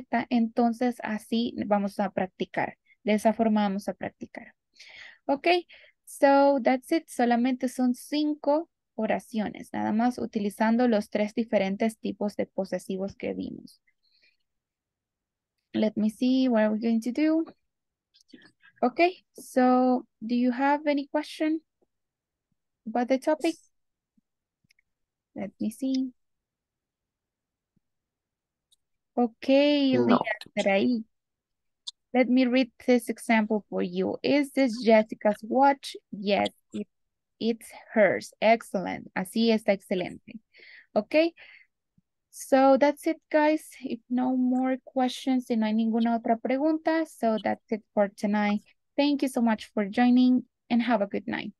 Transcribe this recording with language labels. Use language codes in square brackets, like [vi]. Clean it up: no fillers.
[es] Entonces así vamos a practicar. De esa forma vamos a practicar. [en] Ok, so that's it. [es] Solamente son 5 oraciones, nada más utilizando los 3 diferentes tipos de posesivos que vimos. [en] Let me see what are we going to do. Okay, so do you have any question about the topic? Let me see. Okay, no. Let me read this example for you. Is this Jessica's watch? Yes, it's hers. Excellent. [es] Así está excelente. [en] Okay. So that's it, guys. If no more questions, [es] si no hay ninguna otra pregunta. [en] So that's it for tonight. Thank you so much for joining and have a good night.